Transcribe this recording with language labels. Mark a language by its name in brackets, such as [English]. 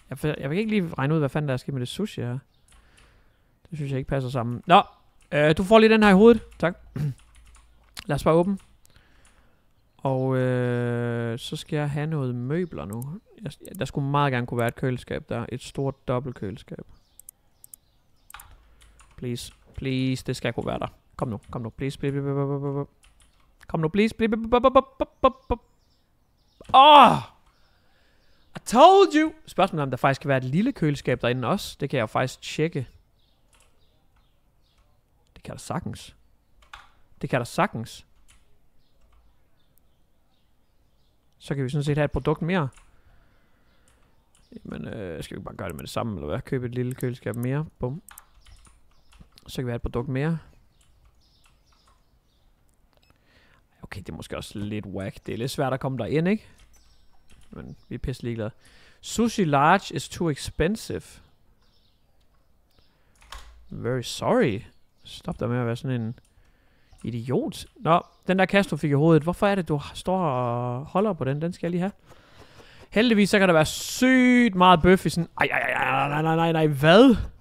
[Danish] Jeg vil ikke lige regne ud, hvad fanden der er sket med det sushi her. Det synes jeg ikke passer sammen. Nå, du får lige den her i hovedet. Tak. Lad os bare åbne. Og så skal jeg have noget møbler nu. Der skulle meget gerne kunne være et køleskab der. Et stort dobbeltkøleskab. Please, please, det skal kunne være der. Kom nu, kom nu. Please, please, please, please, please. Kom nu, please, please, please, please, please. [English] I told you. [Danish] Spørgsmålet er, om der faktisk kan være et lille køleskab derinde også. Det kan jeg faktisk tjekke. Det kan der sagtens. Det kan der sagtens. Så kan vi sådan set have et produkt mere. Jamen, skal vi bare gøre det med det samme, eller hvad? Købe et lille køleskab mere. Bum. Så kan vi have et produkt mere. Okay, det er måske også lidt whack. Det er lidt svært at komme derind, ikke? Men vi er pisse ligeglade. [English] Sushi large is too expensive. Very sorry. [Danish] Stop der med at være sådan en... idiot. Nå, den der kasse, du fik i hovedet. Hvorfor er det, du står og holder på den? Den skal jeg lige have. Heldigvis, så kan der være sygt meget bøf i sådan... Ej, nej, hvad?